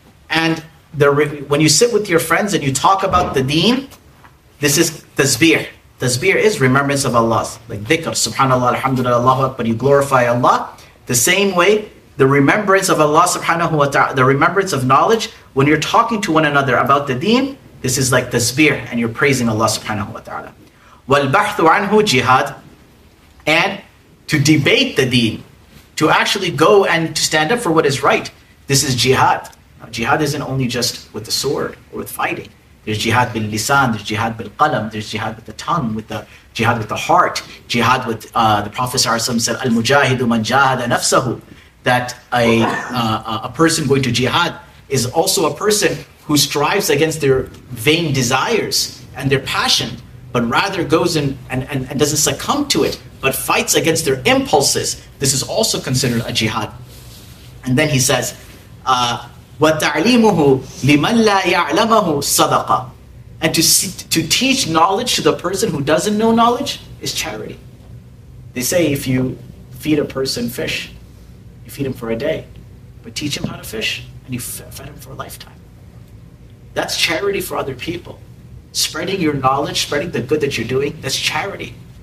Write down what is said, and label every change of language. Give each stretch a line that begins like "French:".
English: And when you sit with your friends and you talk about the deen, this is tasbih. Tasbih is remembrance of Allah. Like dhikr, subhanallah, alhamdulillah, Allahu Akbar, you glorify Allah. The same way, the remembrance of Allah subhanahu wa ta'ala, the remembrance of knowledge, when you're talking to one another about the deen, this is like tasbih, and you're praising Allah subhanahu wa ta'ala.
Arabic: وَالْبَحْثُ عَنْهُ jihad.
English: And to debate the deen, to actually go and to stand up for what is right, this is jihad. Now, jihad isn't only just with the sword or with fighting. There's
Arabic: jihad bil lisan,
English: there's
Arabic: jihad bil qalam,
English: there's jihad with the tongue, with the jihad with the heart, jihad with the Prophet said,
Arabic: al mujahidu man jahada nafsahu,
English: that a person going to jihad is also a person who strives against their vain desires and their passion, but rather goes in and doesn't succumb to it, but fights against their impulses. This is also considered a jihad. And then he says,
Arabic: وَتَعْلِيمُهُ لِمَنْ لَا يَعْلَمَهُ صَدَقًا.
English: And to teach knowledge to the person who doesn't know knowledge is charity. They say if you feed a person fish, you feed him for a day, but teach him how to fish and you fed him for a lifetime. That's charity for other people. Spreading your knowledge, spreading the good that you're doing, that's charity.